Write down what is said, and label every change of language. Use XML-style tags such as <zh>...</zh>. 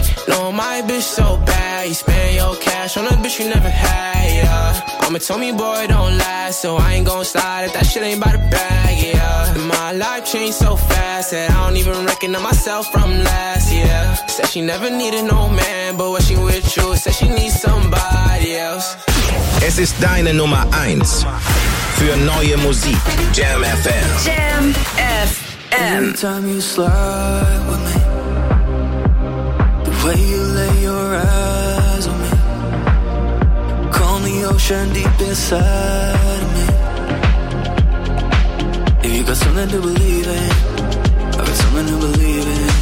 <en>No, my bitch so bad. You spend your cash on a bitch you never had, yeah. Mama told me, boy, don't lie, so I ain't gon' slide if that shit ain't by the bag, yeah. My life changed so fast that I don't even recognize myself from last, yeah. Said she never needed no man, but when she with you, said she needs somebody else.</en> <de>Es ist deine Nummer 1 für neue Musik. Jam FM. Jam FM.</de> <en>Every time you slide with me, the way you lay your eyes on me, call me ocean deep inside of me. If you got something to believe in, I got something to believe in.</en>